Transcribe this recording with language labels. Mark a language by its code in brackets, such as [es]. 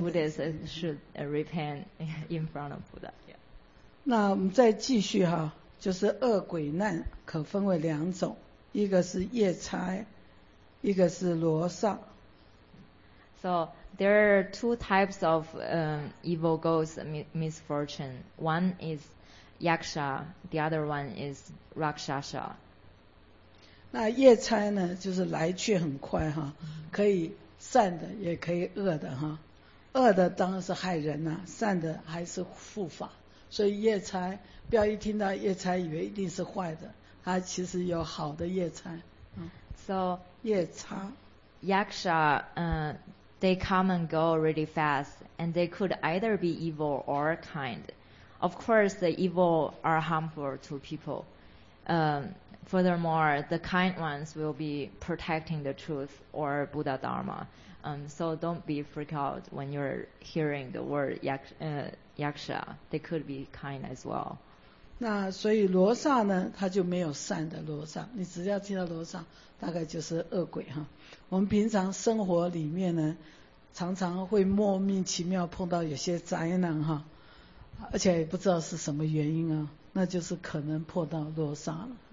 [en] Buddhist should repent in front of Buddha. [zh] 那我们再继续哈， 就是恶鬼难可分为两种， 一个是夜叉， 一个是罗刹。 [en] So there are two types of evil ghosts misfortune. One is yaksha, the other one is rakshasa. [zh] 那夜叉呢， 就是来去很快哈， 可以善的也可以恶的哈。恶的当然是害人啊， 善的还是护法。所以夜叉， 不要一听到夜叉， 以为一定是坏的， 它其实有好的夜叉。 [en] So [zh] 夜叉， [en] yaksha, they come and go really fast, and they could either be evil or kind. Of course, the evil are harmful to people. Furthermore, the kind ones will be protecting the truth or Buddha Dharma. So don't be freaked out when you're hearing the word yaksha. They could be kind as well. [zh] 那所以罗刹呢， 他就没有善的罗刹， 你只要听到罗刹， 大概就是恶鬼哈。我们平常生活里面呢， 常常会莫名其妙碰到有些灾难哈， 而且也不知道是什么原因啊， 那就是可能碰到罗刹了。